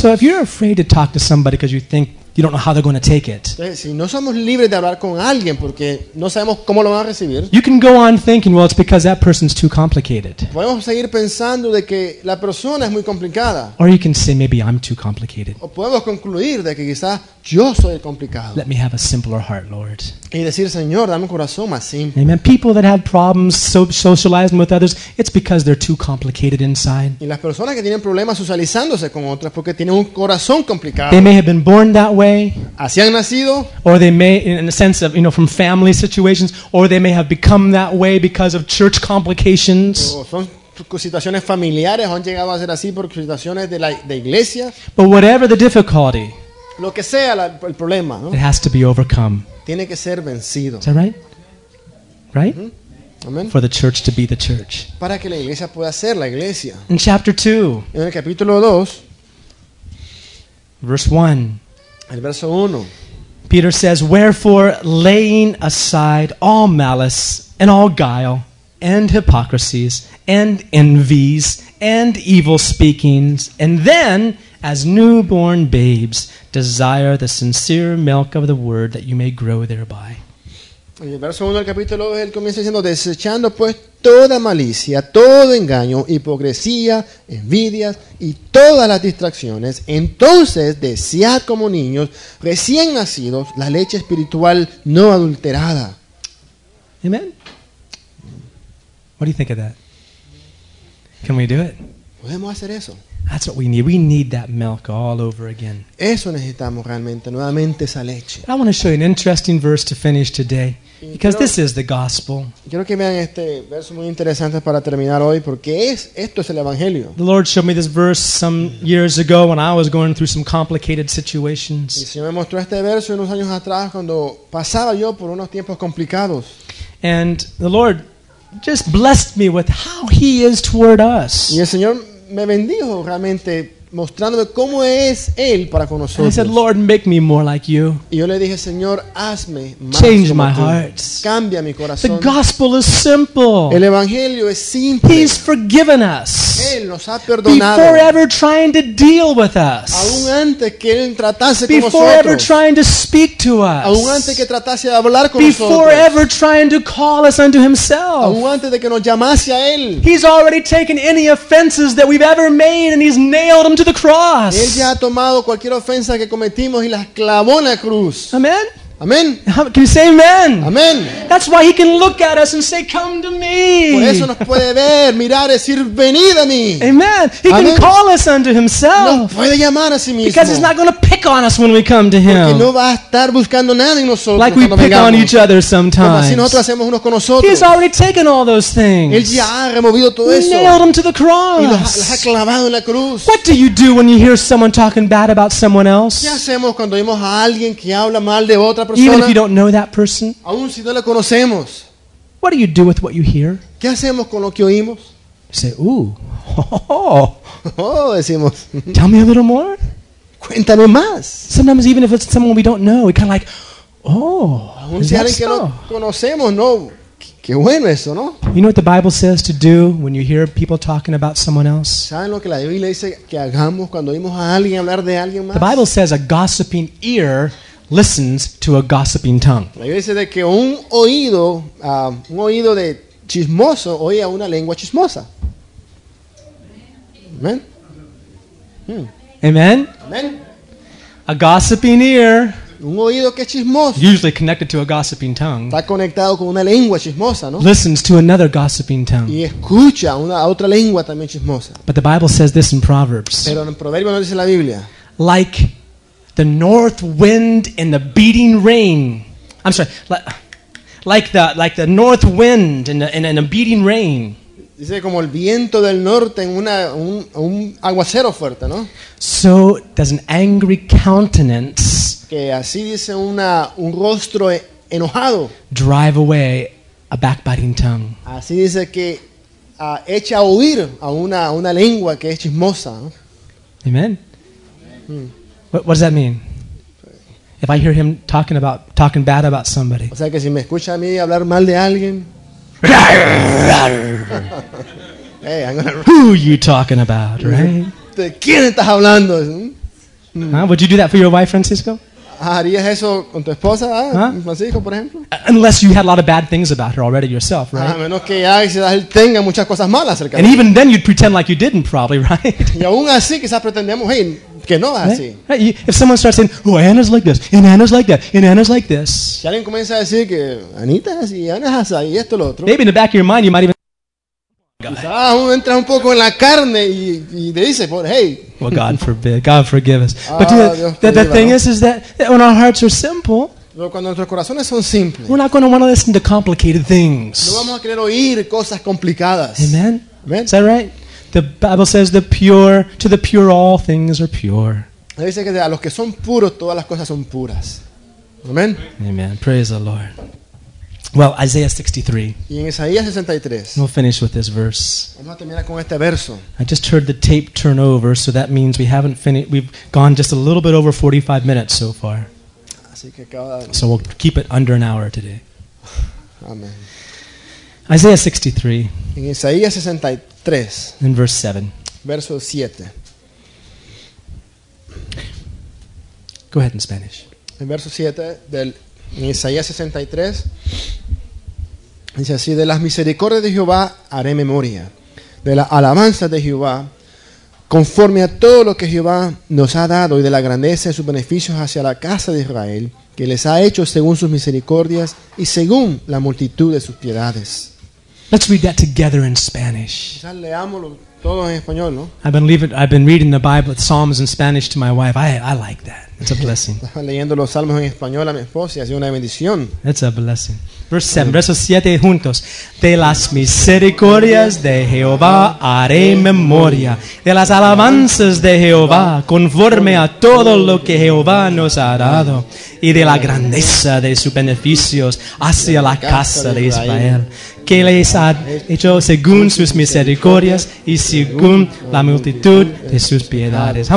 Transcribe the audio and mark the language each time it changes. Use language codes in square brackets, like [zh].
[en] So if you're afraid to talk to somebody because you think you don't know how they're going to take it. [es] Entonces, si no somos libres de hablar con alguien porque no sabemos cómo lo van a recibir. [en] You can go on thinking, well, it's because that person's too complicated. [es] Podemos seguir pensando de que la persona es muy complicada. [en] Or you can say, maybe I'm too complicated. [es] O podemos concluir de que quizás yo soy complicado. [en] Let me have a simpler heart, Lord. [es] Y decir, Señor, dame un corazón más simple. [en] Amen. People that have problems socializing with others, it's because they're too complicated inside. [es] Y las personas que tienen problemas socializándose con otras porque tienen un corazón complicado. [en] They may have been born that way. [es] Así han nacido. [en] Or they may, in the sense of, you know, from family situations, or they may have become that way because of church complications. [es] Situaciones familiares han llegado a ser así por situaciones de iglesia. [en] But whatever the difficulty, [es] lo que sea el problema, ¿no? [en] It has to be overcome. [es] Tiene que ser vencido. [en] Is that right? Right? Mm-hmm. Amen. For the church to be the church. [es] Para que la iglesia pueda ser la iglesia. [en] In chapter 2. [es] En el capítulo 2. [en] Verse 1. [es] El verso 1. [en] Peter says, wherefore, laying aside all malice and all guile and hypocrisies and envies and evil speakings, and then, as newborn babes, desire the sincere milk of the word, that you may grow thereby. [es] En el verso 1 del capítulo 2, él comienza diciendo, desechando pues toda malicia, todo engaño, hipocresía, envidias y todas las distracciones, entonces desead como niños recién nacidos la leche espiritual no adulterada. [en] Amen. What do you think of that? Can we do it? [es] Podemos hacer eso. [en] That's what we need. We need that milk all over again. [es] Eso necesitamos realmente, nuevamente esa leche. [en] I want to show you an interesting verse to finish today. Because this is the gospel. [es] Quiero que vean este verso muy interesante para terminar hoy, porque esto es el evangelio. [en] The Lord showed me this verse some years ago when I was going through some complicated situations. [es] Y el Señor me mostró este verso unos años atrás cuando pasaba yo por unos tiempos complicados. [en] And the Lord just blessed me with how He is toward us. [es] Y el Señor me bendijo realmente mostrándome cómo es Él para con nosotros. [en] And I said, Lord, make me more like you. [es] Y yo le dije, Señor, hazme más [en] Change [es] como [en] my [es] tú. [en] Heart. [es] Cambia mi corazón. [en] The gospel is simple. [es] El evangelio es simple. [en] He's forgiven us. [es] Él nos ha perdonado. [en] Before ever trying to deal with us. [es] Aún antes que Él tratase [en] Before [es] con nosotros. [en] Before ever trying to speak to us. [es] Aún antes que tratase de hablar con [en] Before [es] nosotros. [en] Before ever trying to call us unto Himself. [es] Aún antes de que nos llamase a Él. [en] He's already taken any offenses that we've ever made and He's nailed them to the cross. [es] Él ya ha tomado cualquier ofensa que cometimos y la clavó en la cruz. [en] Amen. Amen. Can you say amen? Amen. That's why He can look at us and say, "Come to me." [es] Por eso nos puede ver, mirar, decir, "Venid a mí." [en] Amen. He amen. Can call us unto Himself. [es] Nos puede llamar a sí mismo. [en] Because He's not going to pick on us when we come to Him. [es] Porque no va a estar buscando nada en nosotros. [en] Like we pick [es] vengamos. [en] On each other sometimes. [es] Como si nosotros hacemos unos con nosotros. [en] He's already taken all those things. [es] Él ya ha removido todo eso. [en] Nailed them to the cross. [es] Y los ha clavado en la cruz. [en] What do you do when you hear someone talking bad about someone else? [es] ¿Qué hacemos cuando vemos a alguien que habla mal de otra? [en] Even if you don't know that person, [es] aun si no la conocemos, [en] what do you do with what you hear? [es] ¿Qué hacemos con lo que oímos? [en] Say, ooh, [es] oh, decimos. [en] Tell me a little more. [es] Cuéntame más. [en] Sometimes even if it's someone we don't know, we kind of like, oh, [es] aun si alguien que no conocemos, no. Qué bueno eso, ¿no? [en] You know what the Bible says to do when you hear people talking about someone else? [es] ¿Saben lo que la Biblia dice que hagamos cuando oímos a alguien hablar de alguien más? [en] The Bible says a gossiping ear listens to a gossiping tongue. [es] La Biblia dice de que un oído de chismoso oye a una lengua chismosa. [en] Amen. Amen. Amen. A gossiping ear. [es] Un oído que es chismoso. [en] Usually connected to a gossiping tongue. [es] Está conectado con una lengua chismosa, ¿no? [en] Listens to another gossiping tongue. [es] Y escucha una a otra lengua también chismosa. [en] But the Bible says this in Proverbs. [es] Pero en Proverbios no dice la Biblia. [en] Like the north wind and the beating rain. I'm sorry. Like the north wind and a beating rain. [es] Dice como el viento del norte en un aguacero fuerte, ¿no? [en] So does an angry countenance. [es] Que así dice un rostro enojado. [en] Drive away a backbiting tongue. [es] Así dice que echa a huir a una lengua que es chismosa, ¿no? [en] Amen. What does that mean? If I hear him talking bad about somebody. [es] O sea que si me escucha a mí hablar mal de alguien. [en] Hey, I'm gonna. Who are you talking about, right? [es] ¿De quién estás hablando? Huh? [en] Would you do that for your wife, Francisco? [es] ¿Harías eso con tu esposa, Francisco, por ejemplo? [en] Unless you had a lot of bad things about her already yourself, right? [es] A menos que ya él tenga muchas cosas malas acerca de. [en] And even then, you'd pretend like you didn't, probably, right? [es] Y aún así, quizás pretendemos, hey, que no es así. [en] If someone starts saying, "Oh, Anna's like this, and Anna's like that, and Anna's like this," [es] si alguien comienza a decir que Anita es así, Anna es así, y esto lo otro. [en] Maybe in the back of your mind, you might even. [es] Ah, uno entra un poco en la carne y dice, hey. [en] Well, God forbid, God forgive us. But the thing is that when our hearts are simple. [es] Cuando nuestros corazones son simples. [en] We're not going to want to listen to complicated things. [es] No vamos a querer oír cosas complicadas. [en] Amen. Amen. Is that right? The Bible says the pure to the pure all things are pure. [es] Dice que a los que son puros todas las cosas son puras. [en] Amen. Amen. Praise the Lord. Well, Isaiah 63. [es] Y en Isaías 63. [en] We'll finish with this verse. [es] Vamos a terminar con este verso. [en] I just heard the tape turn over, so that means we haven't finished. We've gone just a little bit over 45 minutes so far. [es] Así que cada. [en] So we'll keep it under an hour today. Amen. Isaiah 63. [es] En Isaías 63. [en] In verse 7. [es] Verso 7. [en] Go ahead in Spanish. [es] En verso 7 del En Isaías 63 dice así: de las misericordias de Jehová haré memoria, de la alabanza de Jehová, conforme a todo lo que Jehová nos ha dado y de la grandeza de sus beneficios hacia la casa de Israel, que les ha hecho según sus misericordias y según la multitud de sus piedades. [en] Let's read that together in Spanish. [es] Leámoslo todo en español, ¿no? [en] I've been reading the Bible, the Psalms in Spanish to my wife. I like that. It's a blessing. [es] Estaba leyendo los Salmos en español a mi esposa y ha sido una bendición. [en] It's a blessing. Verse 7, [es] versos 7 juntos. De las misericordias de Jehová haré memoria, de las alabanzas de Jehová, conforme a todo lo que Jehová nos ha dado, y de la grandeza de sus beneficios hacia la casa de Israel, que les ha hecho según sus misericordias y según la multitud de sus piedades.